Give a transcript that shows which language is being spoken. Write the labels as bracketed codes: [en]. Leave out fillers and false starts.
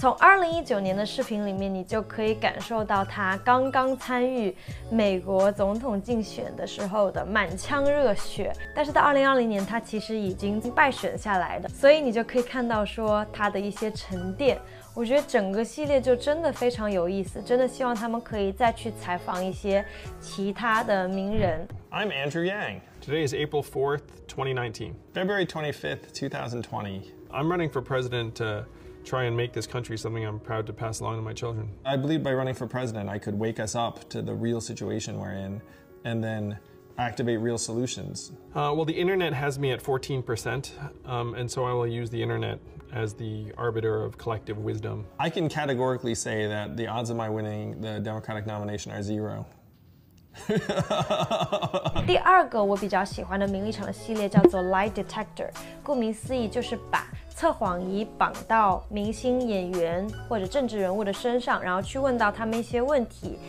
[zh] 从2019年的视频里面你就可以感受到他刚刚参与美国总统竞选的时候的满腔热血，但是到2020年他其实已经败选下来的，所以你就可以看到说他的一些沉淀。我觉得整个系列就真的非常有意思，真的希望他们可以再去采访一些其他的名人。 [en] I'm Andrew Yang. Today is April 4th, 2019. February 25th, 2020. I'm running for president to try and make this country something I'm proud to pass along to my children. I believe by running for president, I could wake us up to the real situation we're in and then activate real solutions. Well, the internet has me at 14%, and so I will use the internet as the arbiter of collective wisdom. I can categorically say that the odds of my winning the Democratic nomination are zero. [zh] 第二个我比较喜欢的名利场的系列叫做 Lie Detector， 顾名思义就是把测谎仪绑到明星演员或者政治人物的身上，然后去问到他们一些问题。